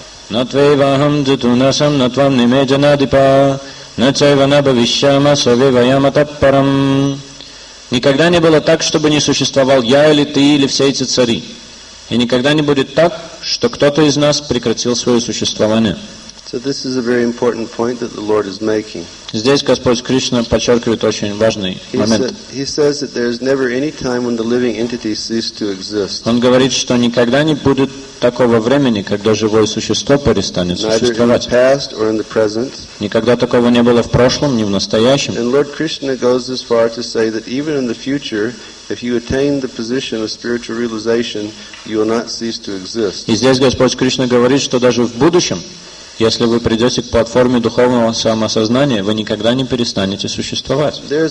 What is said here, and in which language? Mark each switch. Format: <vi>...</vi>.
<sa>На твоей вахам джатунасам, на твам немеджанадипа, на чайванабавишяма савиваяматаппарам.</sa> <ru>Никогда не было так, чтобы не существовал я или ты, или все эти цари. И никогда не будет так, что кто-то из нас прекратил свое существование.</ru> <en>So this is a very important point that the Lord is making.</en> <ru>Здесь Господь Кришна подчеркивает очень важный момент.</ru> <en>He says that there is never any time when the living entity ceases to exist.</en> <ru>Он говорит, что никогда не будет такого времени, когда живое существо перестанет существовать.</ru> <en>Neither in the past or in the present.</en> <ru>Никогда такого не было в прошлом, ни в настоящем.</ru> <en>And Lord Krishna goes as far to say that even in the future, if you attain the position of spiritual realization, you will not cease to exist.</en> <ru>И здесь Господь Кришна говорит, что даже в будущем, если вы придете к платформе духовного самосознания, вы никогда не перестанете существовать.</ru>